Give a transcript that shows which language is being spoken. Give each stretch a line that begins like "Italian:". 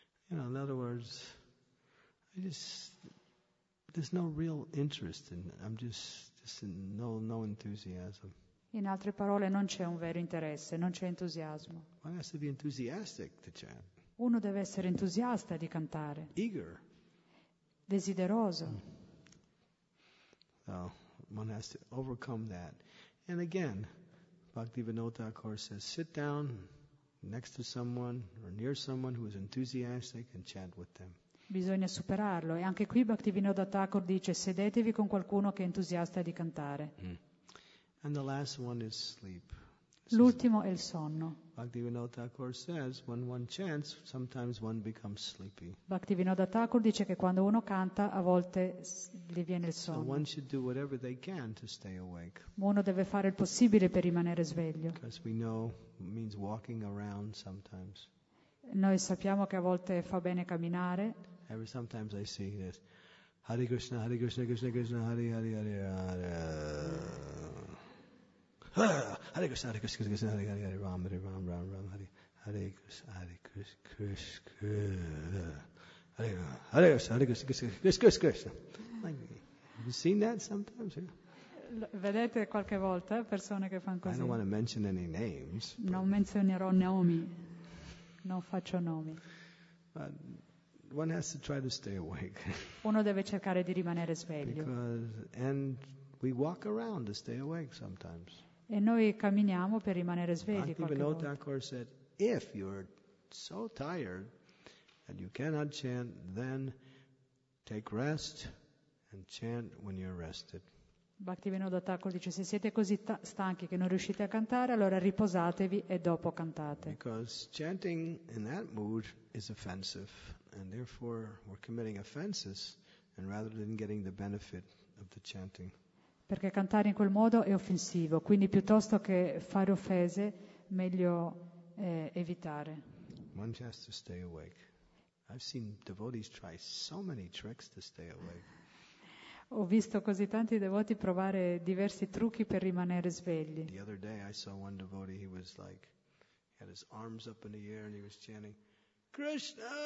English: You know, in other words, I just, there's no real interest in it. I'm just in no enthusiasm.
Italian: In altre parole, non c'è un vero interesse, non c'è entusiasmo.
English: One has to be enthusiastic to chant.
Italian: Uno deve essere entusiasta di cantare.
English: Eager.
Italian: Desideroso.
English: One has to overcome that. And again, Bhaktivinoda Thakur says, sit down next to someone or near someone who is enthusiastic and chant with them.
Italian: Bisogna superarlo. E anche qui Bhaktivinoda Thakur dice, sedetevi con qualcuno che è entusiasta di cantare.
English: And the last one is sleep.
Italian: L'ultimo è il sonno.
English: Bhaktivinoda Thakur says, when one chants, sometimes one becomes sleepy.
Italian: Bhaktivinoda Thakur dice che quando uno canta, a volte gli viene il sonno.
English: So one should do whatever they can to stay awake.
Italian: Uno deve fare il possibile per rimanere sveglio.
English: Because we know it means walking around sometimes.
Italian: Noi sappiamo che a volte fa bene camminare.
English: Every sometimes I see this. Hare Krishna, Hare Krishna, Krishna Krishna, Hare Hare Hare Hare. Hare Krishna, Hare Krishna, Krishna Krishna, Hare Hare, Ram Hare, Ram Ram Ram Hare, Hare Krishna, Hare Krishna, Krishna Krishna, Hare Hare, Hare Krishna, Hare Krishna, Krishna Krishna, Krishna Krishna. Have you seen that sometimes?
Italian: Vedete qualche volta persone che fanno così?
English: I don't want to mention any names.
Italian: Non menzionerò nomi, non faccio nomi.
English: But one has to try to stay awake.
Italian: Uno deve cercare di rimanere sveglio.
English: And we walk around to stay awake sometimes.
Italian: E noi camminiamo per rimanere svegli qualche volta.
English: Bhaktivinoda Thakur said, if you're so tired and you cannot chant, then take rest and chant when you're rested.
Italian: Bhaktivinoda Thakur dice, se siete così stanchi che non riuscite a cantare, allora riposatevi e dopo cantate.
English: Because chanting in that mood is offensive, and therefore we're committing offenses, and rather than getting the benefit of the chanting.
Italian: Perché cantare in quel modo è offensivo, quindi piuttosto che fare offese, meglio evitare.
English: One has to stay awake. I've seen devotees try so many tricks to stay awake.
Italian: Ho visto così tanti devoti provare diversi trucchi per rimanere svegli.
English: The other day I saw one devotee, he was like, he had his arms up in the air and he was chanting, Krishna!